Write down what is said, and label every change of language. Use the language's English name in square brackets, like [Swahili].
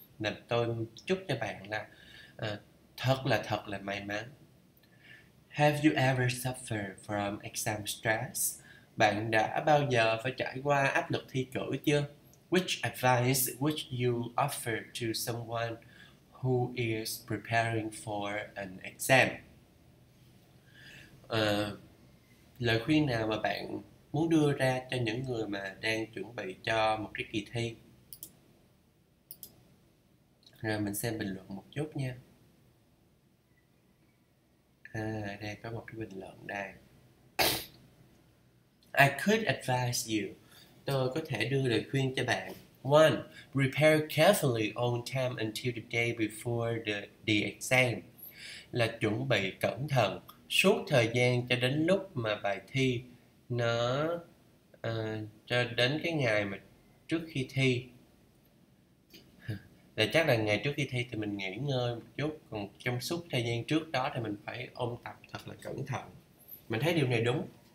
[Vietnamese] Nên tôi chúc cho bạn là thật là may mắn. [English] Have you ever suffered from exam stress? [Vietnamese] Bạn đã bao giờ phải trải qua áp lực thi cử chưa? [English] Which advice would you offer to someone who is preparing for an exam? [Vietnamese] Lời khuyên nào mà bạn muốn đưa ra cho những người mà đang chuẩn bị cho một cái kỳ thi? Rồi mình xem bình luận một chút nha. Đây có một cái bình luận đây. [English] I could advise you. [Vietnamese] Tôi có thể đưa lời khuyên cho bạn. 1. [English] Prepare carefully on time until the day before the exam. [Vietnamese] là chuẩn bị cẩn thận suốt thời gian cho đến lúc mà bài thi nó cho đến cái ngày mà trước khi thi. Là chắc là ngày trước khi thi thì mình nghỉ ngơi một chút, còn trong suốt thời gian trước đó thì mình phải ôn tập thật là cẩn thận. Mình thấy điều này đúng.